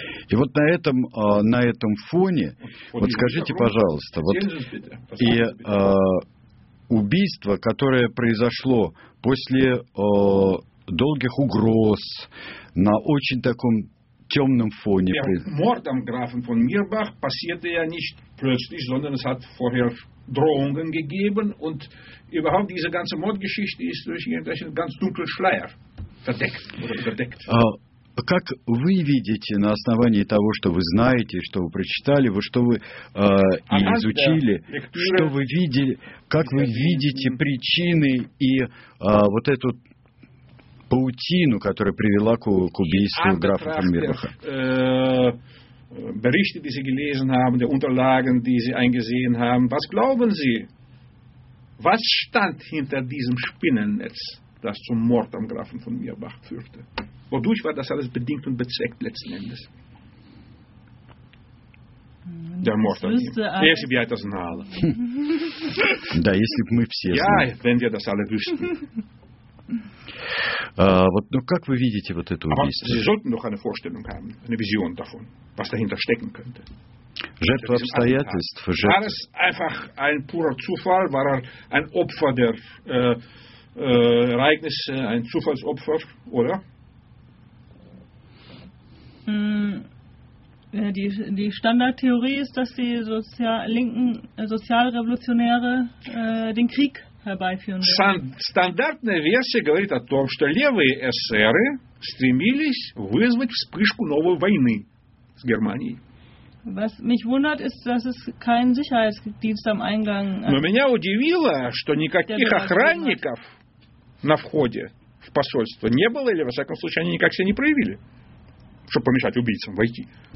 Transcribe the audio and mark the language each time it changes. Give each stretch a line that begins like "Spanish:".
Russian: И вот на этом фоне, вот скажите, пожалуйста, вот и убийство, которое произошло после долгих угроз на очень таком темном фоне. Мордом графа фон Мирбах последовало не
German: plötzlich, sondern es hat vorher Drohungen gegeben und überhaupt diese ganze Mordgeschichte ist durch irgendeinen ganz dunklen Schleier verdeckt oder überdeckt.
Russian: Как вы видите на основании того, что вы знаете, что вы прочитали, вы, что вы изучили, что вы видели, как вы видите причины и вот эту паутину, которая привела к, к убийству графа фон Мирбаха?
German: Berichte, die Sie gelesen haben, die Unterlagen, die Sie eingesehen haben, was glauben Sie, was stand hinter diesem Spinnennetz, das zum Mord am Grafen von Mirbach führte? Wodurch war das alles bedingt und bezweckt letzten Endes? Der Mord an ihm.
Russian: Если бы я это знала. Да, если бы мы все знали.
German: Ja, wenn wir das alle wüssten.
Russian: Вот, ну как вы видите вот это убийство?
German: Sie sollten doch eine Vorstellung haben, eine Vision davon, was dahinter stecken könnte.
Russian: Жертва обстоятельств.
German: War es einfach ein purer Zufall? War er ein Opfer der Ereignisse, ein Zufallsopfer, oder? Die Standardtheorie ist, dass die linken Sozialrevolutionäre den Krieg herbeiführen werden.
Russian: Standardная версия говорит о том, что левые эсеры стремились вызвать вспышку новой войны с Германией.
German: Was mich wundert, ist, dass es keinen Sicherheitsdienst am Eingang.
Russian: Но меня удивило, что никаких охранников на входе в посольство не было, или, во всяком случае, они никак себя не проявили, чтобы помешать убийцам войти.